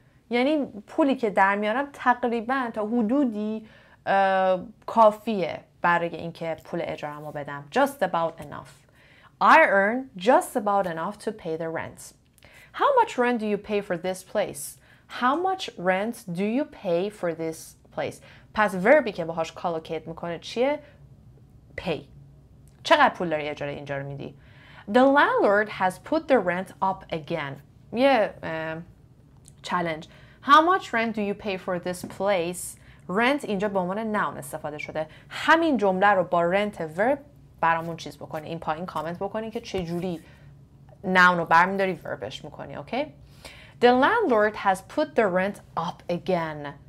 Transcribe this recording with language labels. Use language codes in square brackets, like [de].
[fa] یعنی پولی که در میارم تقریبا تا حدودی کافیه برای اینکه پول اجارمو بدم. [en] Just about enough. I earn just about enough to pay the rent. How much rent do you pay for this place? How much rent do you pay for this place? [fa] پس وربی که باهاش کالوکیت میکنه چیه؟ [en] Pay. [fa] چقدر پول داری اجاره اینجا رو میدی؟ [en] The landlord has put the rent up again. Yeah, challenge. How much rent do you pay for this place? [fa] Rent اینجا به عنوان noun استفاده شده. همین جمله رو با rent verb برامون چیز بکنی. این پایین کامنت بکنی که چجوری noun رو برمیداری verbش میکنی. [en] Okay? The landlord has put the rent up again.